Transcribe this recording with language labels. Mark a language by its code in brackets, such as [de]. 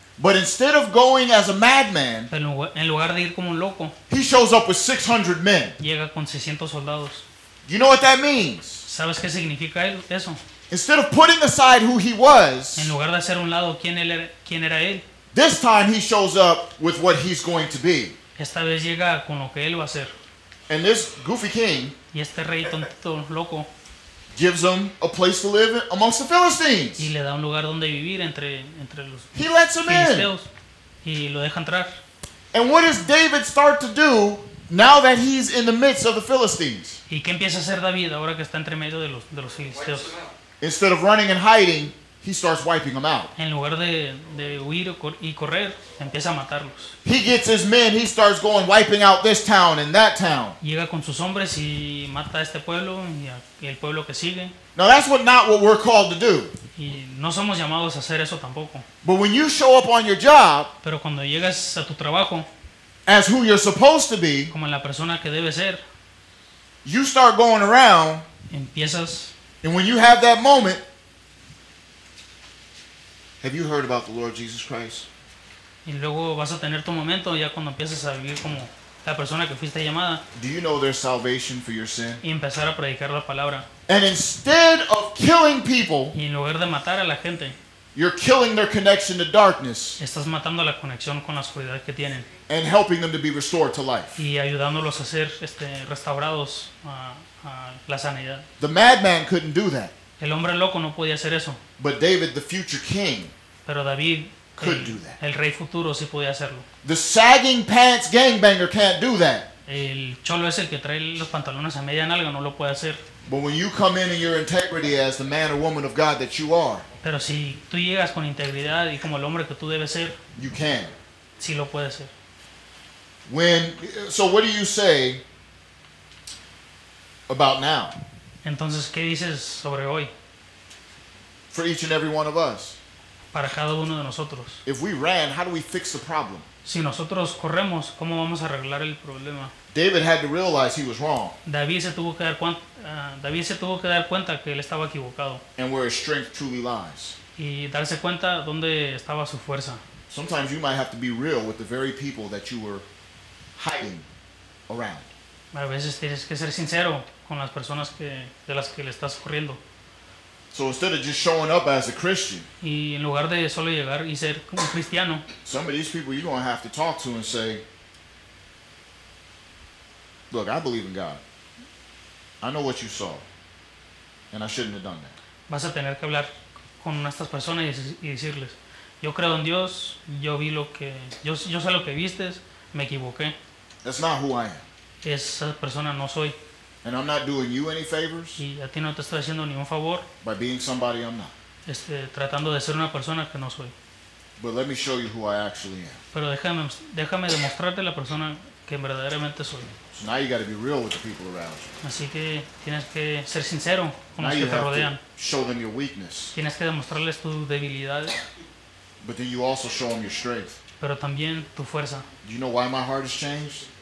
[en] But instead of going as a madman, [es] pero en lugar de ir como un loco, [en] he shows up with 600 men. [es] Llega con 600 soldados. [en] You know what that means? [es] ¿Sabes qué significa eso? [en] Instead of putting aside who he was, [es] en lugar de hacer un lado quién era él, [en] this time he shows up with what he's going to be. [es] Esta vez llega con lo que él va a ser. [en] And this goofy king, [es] y este rey tontito loco, [en] gives him a place to live amongst the Philistines. [es] Y le da un lugar donde vivir entre los [en] he lets him in. [es] Y lo deja entrar. [en] And what does David start to do now that he's in the midst of the Philistines? [es] ¿Y qué empieza a hacer David ahora que está entre medio de los filisteos? [en] Instead of running and hiding, he starts wiping them out. [es] En lugar de huir y correr, empieza a matarlos. [en] He gets his men, he starts going wiping out this town and that town. [es] Llega con sus hombres y mata a este pueblo y el pueblo que sigue. [en] Now that's not what we're called to do. [es] Y no somos llamados a hacer eso tampoco. [en] But when you show up on your job, [es] pero cuando llegas a tu trabajo, [en] as who you're supposed to be, [es] como la persona que debe ser, [en] you start going around, [es] empiezas, [en] and when you have that moment, have you heard about the Lord Jesus Christ? [es] Y luego vas a tener tu momento ya cuando empiezas a vivir como la persona que fuiste llamada. [en] Do you know there's salvation for your sin? [es] Y empezar a predicar la palabra. [en] And instead of killing people, [es] y en lugar de matar a la gente, [en] you're killing their connection to darkness. [es] Estás matando la conexión con la oscuridad que tienen. [en] And helping them to be restored to life. [es] Y ayudándolos a ser restaurados a la sanidad. [en] The madman couldn't do that. [es] El hombre loco no podía hacer eso. [en] But David, the future king, [es] pero David, [en] could do that. [es] El rey futuro sí podía hacerlo. [en] The sagging pants gangbanger can't do that. [es] El cholo es el que trae los pantalones a media nalga, no lo puede hacer. [en] But when you come in your integrity as the man or woman of God that you are, [es] pero si tú llegas con integridad y como el hombre que tú debes ser, [en] you can. [es] Sí lo puede hacer. [en] So what do you say about now? [es] Entonces, ¿qué dices sobre hoy? [en] For each and every one of us. [es] Para cada uno de nosotros. [en] If we ran, how do we fix the problem? [es] Si nosotros corremos, ¿cómo vamos a arreglar el problema? [en] David had to realize he was wrong. [es] David se tuvo que dar cuenta que él estaba equivocado. [en] And where his strength truly lies. [es] Y darse cuenta dónde estaba su fuerza. [en] Sometimes you might have to be real with the very people that you were hiding around. [es] A veces tienes que ser sincero con las personas de las que le estás corriendo. [en] So instead of just showing up as a Christian, [es] y en lugar de solo llegar y ser como cristiano, [en] some of these people you're going to have to talk to and say, look, I believe in God. I know what you saw. And I shouldn't have done that. [es] Vas a tener que hablar con estas personas y decirles, yo creo en Dios, yo vi lo que, yo sé lo que viste, me equivoqué. [en] That's not who I am. [es] Esa persona no soy. [en] And I'm not doing you any favors. [es] Y a ti no te estoy haciendo ningún favor. [en] By being somebody I'm not. [es] Tratando de ser una persona que no soy. [en] But let me show you who I actually am. [es] Pero déjame demostrarte la persona que verdaderamente soy. [en] So now you got to be real with the people around you. [es] Así que tienes que ser sincero con los que te rodean. [en] Show them your weakness. [es] Tienes que demostrarles tu debilidad. [en] But then you also show them your strength. [es] Pero también tu fuerza. [en] Do you know why my heart has changed?